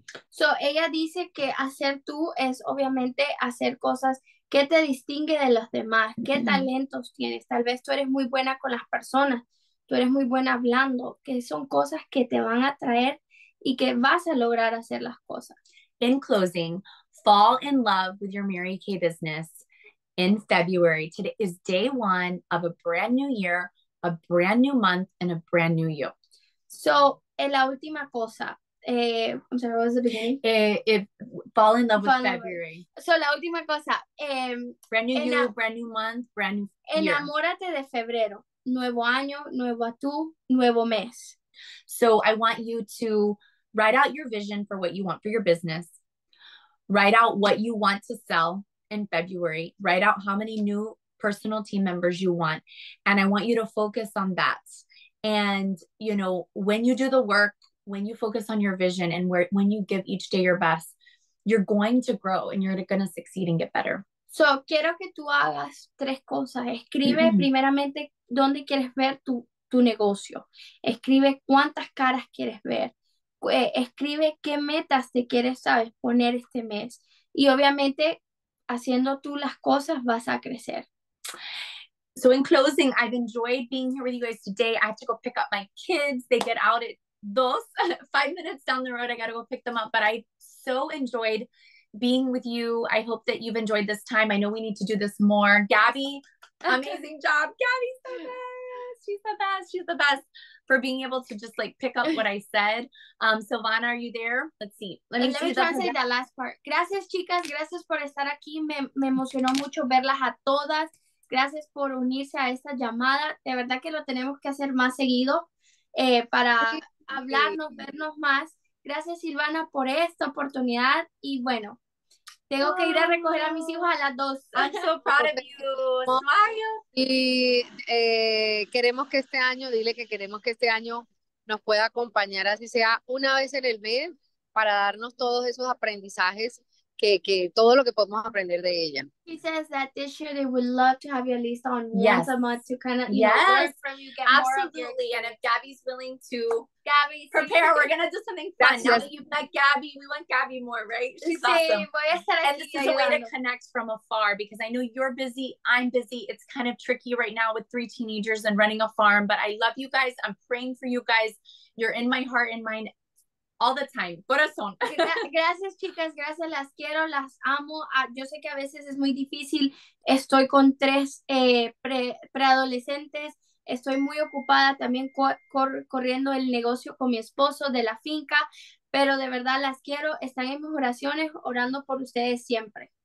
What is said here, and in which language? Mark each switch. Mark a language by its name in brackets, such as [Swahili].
[Spanish] So ella dice que hacer tú es obviamente hacer cosas. ¿Qué te distingue de los demás? ¿Qué talentos tienes? Tal vez tú eres muy buena con las personas. Tú eres muy buena hablando. ¿Qué son cosas que te van a atraer y que vas a lograr hacer las cosas? [English] In closing, fall in love with your Mary Kay business in February. Today is day one of a brand new year, a brand new month, and a brand new you. [Spanish] So, en la última cosa. [English] I'm sorry, what was the beginning? If fall in love with February. [Spanish] So la última cosa. [English] Brand new you, brand new month, brand new year. [Spanish] Enamórate de febrero. Nuevo año, nuevo tú, nuevo mes. [English] So I want you to write out your vision for what you want for your business. Write out what you want to sell in February. Write out how many new personal team members you want. And I want you to focus on that. And, you know, when you do the work, when you focus on your vision and where, when you give each day your best, you're going to grow and you're going to succeed and get better. [Spanish] So, quiero que tú hagas tres cosas. Escribe primeramente dónde quieres ver tu negocio. Escribe cuántas caras quieres ver. Escribe qué metas te quieres, sabes, poner este mes. Y obviamente, haciendo tú las cosas, vas a crecer. [English] So in closing, I've enjoyed being here with you guys today. I have to go pick up my kids. They get out at 5 minutes down the road. I got to go pick them up. But I so enjoyed being with you. I hope that you've enjoyed this time. I know we need to do this more. Gabby, amazing job. Gabby's the best. She's the best for being able to just like pick up what I said. Silvana, are you there? Let's see. Let me translate the last part. [Spanish] Gracias, chicas. Gracias por estar aquí. Me emocionó mucho verlas a todas. Gracias por unirse a esta llamada. De verdad que lo tenemos que hacer más seguido para hablarnos, vernos más. Gracias, Silvana, por esta oportunidad. Y bueno, tengo que ir a recoger a mis hijos a las 2. [English] I'm so proud of you. [Spanish] Y queremos que este año, dile que queremos que este año nos pueda acompañar, así sea una vez en el mes, para darnos todos esos aprendizajes. Que todo lo que podemos aprender de ella. [English] She says that this year they would love to have you at least on once a month to kind of learn from you, get absolutely more. And if Gabby's willing to prepare, we're going to do something fun. Now that you've met Gabby, we want Gabby more, right? She's awesome. And this is a way to connect from afar, because I know you're busy, I'm busy. It's kind of tricky right now with three teenagers and running a farm, but I love you guys. I'm praying for you guys. You're in my heart and mind. All the time. Corazón. [Spanish] Gracias, chicas. Gracias. Las quiero. Las amo. Yo sé que a veces es muy difícil. Estoy con tres preadolescentes. Estoy muy ocupada también corriendo el negocio con mi esposo de la finca. Pero de verdad las quiero. Están en mis oraciones, orando por ustedes siempre.